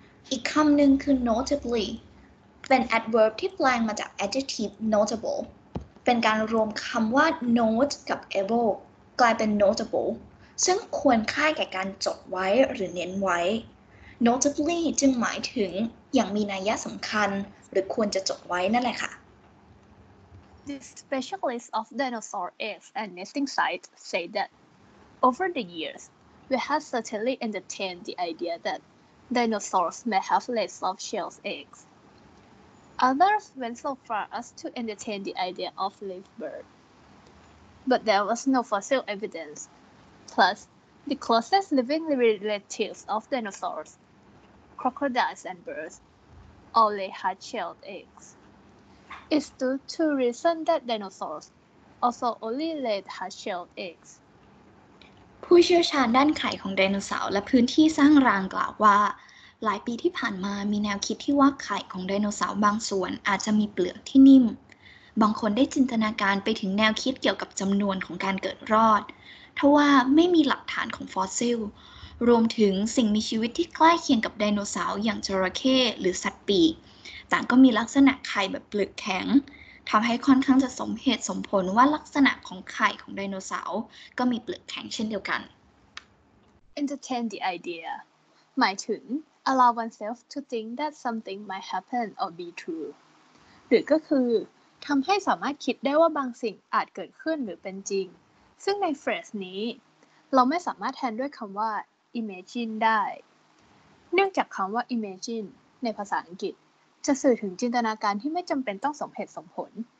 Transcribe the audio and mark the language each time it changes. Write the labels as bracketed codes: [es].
[th] อีกคำหนึ่งคือ notably เป็น adverb ที่แปลงมาจาก adjective notable เป็นการรวมคำว่า note กับ able กลายเป็น notable ซึ่งควรค่าแก่การจดไว้หรือเน้นไว้ notably จึงหมายถึงอย่างมีนัยยะสำคัญหรือควรจะจดไว้นั่นแหละค่ะ [en] The specialists of dinosaur eggs and nesting sites say that over the years, we have certainly entertained the idea that dinosaurs may have laid soft shell eggs. Others went so far as to entertain the idea of live bird. But there was no fossil evidence. Plus, the closest living relatives of dinosaurs, crocodiles and birds,all lay hard-shelled eggs. It's due to reason that dinosaurs also only laid hard-shelled eggs. [th] ผู้เชี่ยวชาญด้านไข่ของไดโนเสาร์และพื้นที่สร้างรังกล่าวว่าหลายปีที่ผ่านมามีแนวคิดที่ว่าไข่ของไดโนเสาร์บางส่วนอาจจะมีเปลือกที่นิ่ม บางคนได้จินตนาการไปถึงแนวคิดเกี่ยวกับจำนวนของการเกิดรอดทว่าไม่มีหลักฐานของฟอสซิลรวมถึงสิ่งมีชีวิตที่ใกล้เคียงกับไดโนเสาร์อย่างจระเข้หรือสัตว์ปีกต่างก็มีลักษณะไข่แบบเปลือกแข็งทำให้ค่อนข้างจะสมเหตุสมผลว่าลักษณะของไข่ของไดโนเสาร์ก็มีเปลือกแข็งเช่นเดียวกัน [en] Entertain the idea my turn, allow oneself to think that something might happen or be true. [th] หรือก็คือทำให้สามารถคิดได้ว่าบางสิ่งอาจเกิดขึ้นหรือเป็นจริงซึ่งในเฟรสนี้เราไม่สามารถแทนด้วยคำว่า imagine ได้เนื่องจากคำว่า imagine ในภาษาอังกฤษจะสื่อถึงจินตนาการที่ไม่จำเป็นต้องสมเหตุสมผล